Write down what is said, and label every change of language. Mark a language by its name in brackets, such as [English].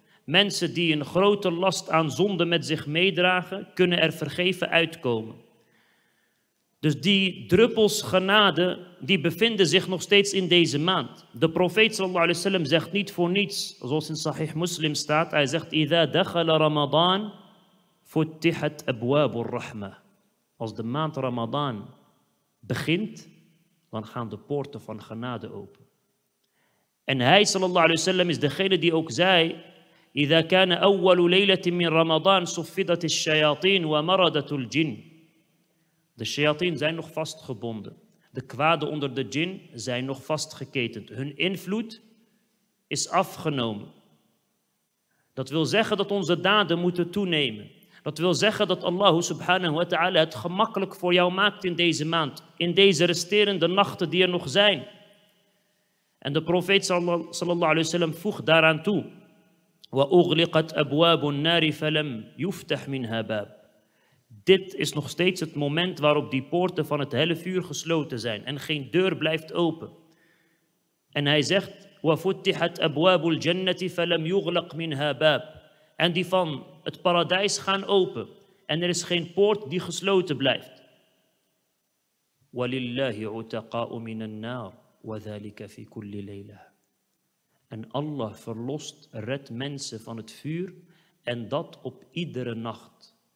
[Dutch] Mensen die een grote last aan zonde met zich meedragen, kunnen er vergeven uitkomen. Dus die druppels genade, die bevinden zich nog steeds in deze maand. De profeet sallallahu alayhi wa sallam zegt niet voor niets, zoals in Sahih Muslim staat. Hij zegt, [Arabic] إِذَا دَخَلَ رَمَضَانْ فُتِّحَتْ أَبْوَابُ الرَّحْمَةِ. [Dutch] Als de maand Ramadan begint, dan gaan de poorten van genade open. En hij sallallahu alayhi wa sallam is degene die ook zei, [Arabic] إِذَا كَانَ أَوَّلُ لَيْلَةٍ مِّن رَمَضَانْ صُفِّدَتِ الشَّيَاطِينَ وَمَرَدَتُ الْجِنِ. [Dutch] De shayatin zijn nog vastgebonden. De kwaden onder de jin zijn nog vastgeketend. Hun invloed is afgenomen. Dat wil zeggen dat onze daden moeten toenemen. Dat wil zeggen dat Allah subhanahu wa ta'ala het gemakkelijk voor jou maakt in deze maand. In deze resterende nachten die er nog zijn. En de profeet sallallahu alayhi wa sallam voegt daaraan toe. [Arabic] وَأُغْلِقَتْ أَبْوَابُ النَّارِ فَلَمْ يُفْتَحْ مِنْهَا بَابٌ. [Dutch] Dit is nog steeds het moment waarop die poorten van het helle vuur gesloten zijn en geen deur blijft open. En hij zegt, [Arabic] وَفُتِّحَتْ أَبْوَابُ الْجَنَّةِ فَلَمْ يُغْلَقْ مِنْهَا بَابٌ. [Dutch] En die van het paradijs gaan open en er is geen poort die gesloten blijft. [Arabic] وَلِلَّهِ عُتَقَاءُ مِنَ النَّارِ وَذَلِكَ فِي كُلِّ لَيْلَةٍ. [Dutch] En Allah verlost, redt mensen van het vuur en dat op iedere nacht.